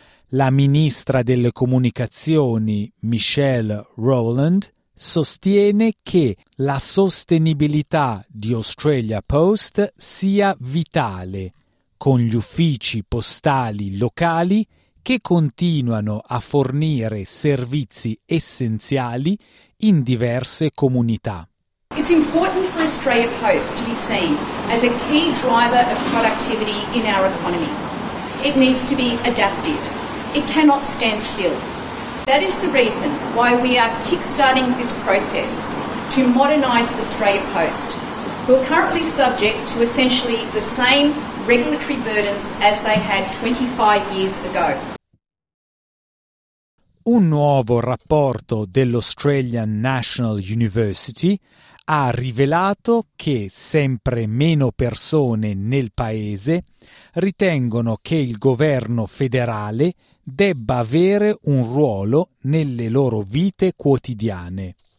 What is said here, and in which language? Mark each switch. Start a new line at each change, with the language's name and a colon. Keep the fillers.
Italian: La ministra delle comunicazioni Michelle Rowland sostiene che la sostenibilità di Australia Post sia vitale, con gli uffici postali locali che continuano a fornire servizi essenziali in diverse comunità.
English: It's important for Australia Post to be seen as a key driver of productivity in our economy. It needs to be adaptive. It cannot That is the reason why we are kickstarting this process to modernise Australia Post, who are currently subject to essentially the same regulatory burdens as they had 25 years ago.
Italian: Un nuovo rapporto dell'Australian National University ha rivelato che sempre meno persone nel paese ritengono che il governo federale debba avere un ruolo nelle loro vite quotidiane.